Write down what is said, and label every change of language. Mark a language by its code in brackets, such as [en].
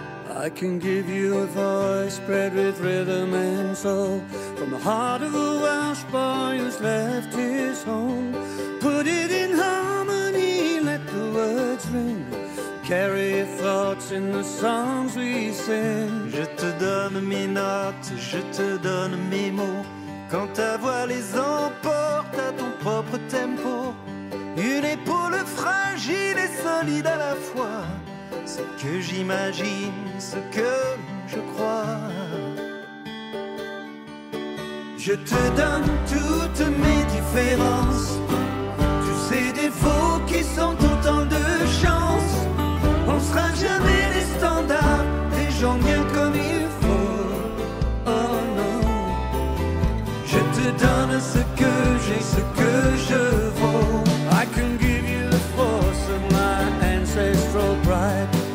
[en] I can give you a voice spread with rhythm and soul from the heart of a Welsh boy who's left his home. Put it in harmony, let the words ring, carry your thoughts in the songs we sing. [fr] Je te donne mes notes, je te donne mes mots. Quand ta voix les emporte à ton propre tempo, une épaule fragile et solide à la fois. Ce que j'imagine, ce que je crois. Je te donne toutes mes différences, tous ces défauts qui sont autant de chances. On sera jamais les standards des gens bien comme il faut. Oh non. Je te donne ce que j'ai, ce que je vaux. [en] I can give you the force of my ancestral pride.